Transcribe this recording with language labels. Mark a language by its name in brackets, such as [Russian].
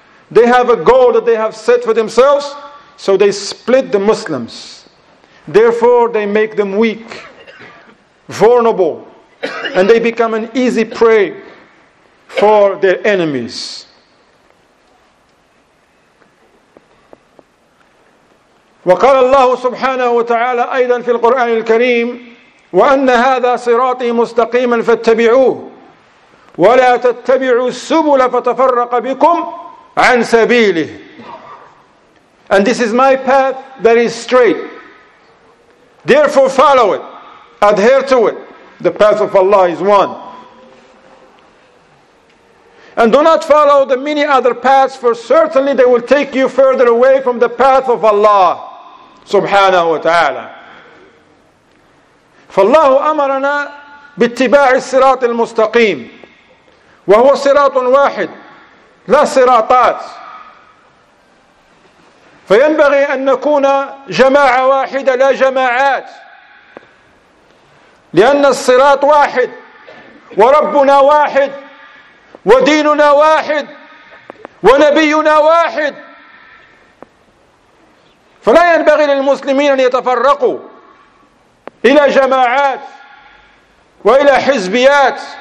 [English] They have a goal that they have set for themselves, so they split the Muslims. Therefore, they make them weak, vulnerable, and they become an easy prey for their enemies. [Arabic] وقال الله سبحانه وتعالى أيضا في القرآن الكريم وأن هذا صراطي مستقيما فاتبعوه ولا تتبعوا السبل فتفرق بكم عن سبيله. [English] And this is my path that is straight. Therefore follow it. Adhere to it. The path of Allah is one. And do not follow the many other paths, for certainly they will take you further away from the path of Allah سبحانه وتعالى. [Arabic] فالله أمرنا باتباع الصراط المستقيم وهو صراط واحد لا صراطات، فينبغي أن نكون جماعة واحدة لا جماعات، لأن الصراط واحد وربنا واحد وديننا واحد ونبينا واحد، فلا ينبغي للمسلمين أن يتفرقوا إلى جماعات وإلى حزبيات،